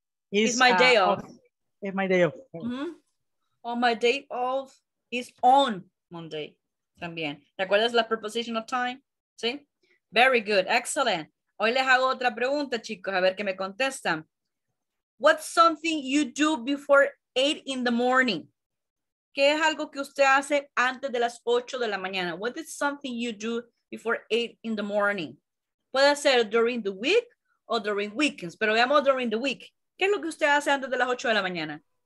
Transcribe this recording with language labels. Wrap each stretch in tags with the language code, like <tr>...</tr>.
<en>Is my day off. Is my day off. Mm-hmm. on my day off is on Monday.</en> <es>También. ¿Te acuerdas la</es> <en>preposition of time?</en> <es>Sí.</es> <en>Very good. Excellent.</en> <es>Hoy les hago otra pregunta, chicos, a ver qué me contestan.</es> <en>What's something you do before 8 in the morning?</en> <es>¿Qué es algo que usted hace antes de las 8 de la mañana?</es> <en>What is something you do before 8 in the morning?</en> <es>Puede ser</es> <en>during the week</en> <es>o</es> <en>during weekends,</en> <es>pero veamos</es> <en>during the week.</en> <es>¿Qué es lo que usted hace antes de las 8 de la mañana?</es>